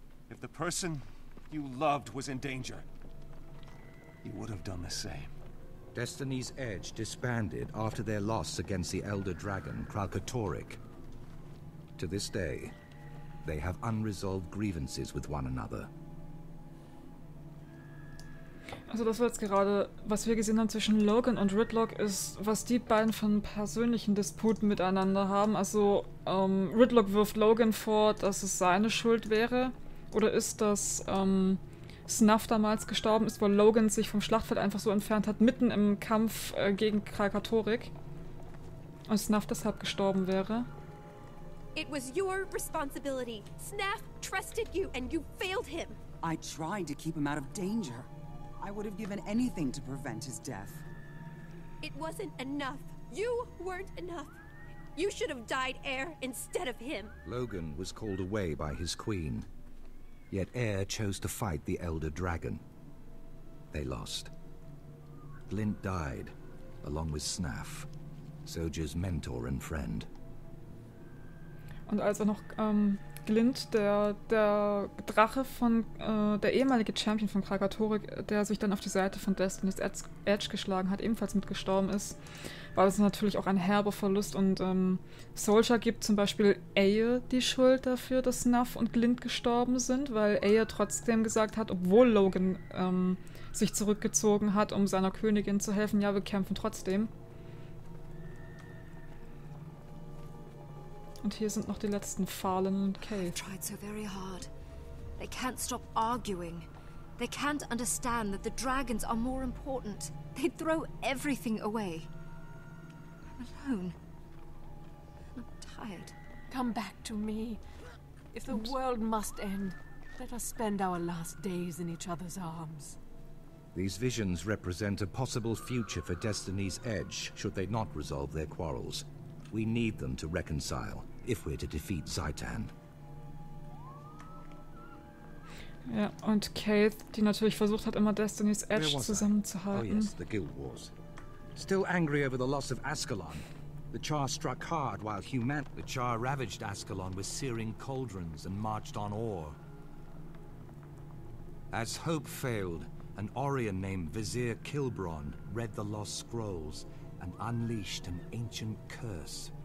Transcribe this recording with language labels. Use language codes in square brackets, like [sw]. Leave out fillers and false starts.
[en] If the person you loved was in danger, you would have done the same. Destiny's Edge disbanded after their loss against the Elder Dragon, Kralkatorik. To this day, they have unresolved grievances with one another. [de] Also das, was gerade, was wir gesehen haben zwischen Logan und Ridlock, ist, was die beiden von persönlichen Disputen miteinander haben. Also Ridlock wirft Logan vor, dass es seine Schuld wäre. Oder ist, dass Snaf damals gestorben ist, weil Logan sich vom Schlachtfeld einfach so entfernt hat, mitten im Kampf gegen Kralkatorik. Und Snaf deshalb gestorben wäre. [en] It was your responsibility. Snaf trusted you and you failed him. I tried to keep him out of danger. I would have given anything to prevent his death. It wasn't enough. You weren't enough. You should have died Air instead of him. Logan was called away by his queen. Yet Air chose to fight the Elder Dragon. They lost. Glint died, along with Snaf, Soja's mentor and friend. [de] Und als er noch Glint, der Drache von der ehemalige Champion von Kralkatorik, der sich dann auf die Seite von Destiny's Edge geschlagen hat, ebenfalls mitgestorben ist, war das natürlich auch ein herber Verlust. Und Soulja gibt zum Beispiel Aya die Schuld dafür, dass Snaf und Glint gestorben sind, weil Aya trotzdem gesagt hat, obwohl Logan sich zurückgezogen hat, um seiner Königin zu helfen, ja, wir kämpfen trotzdem. Und hier sind noch die letzten Fallen und Kate. [en] I've tried so very hard. They can't stop arguing. They can't understand that the dragons are more important. They throw everything away. I'm alone. I'm tired. Come back to me. If the world must end, let us spend our last days in each other's arms. These visions represent a possible future for Destiny's Edge, should they not resolve their quarrels. We need them to reconcile. If we're to defeat Zaitan. [de] Ja, und Kate, die natürlich versucht hat, immer Destiny's Edge zusammenzuhalten. [en] Oh yes, the Guild Wars. Still angry over the loss of Ascalon. The Char struck hard while the Char ravaged Ascalon with searing cauldrons and marched on ore. As hope failed, an Orion named Vizier Kilbron read the lost scrolls and unleashed an ancient curse.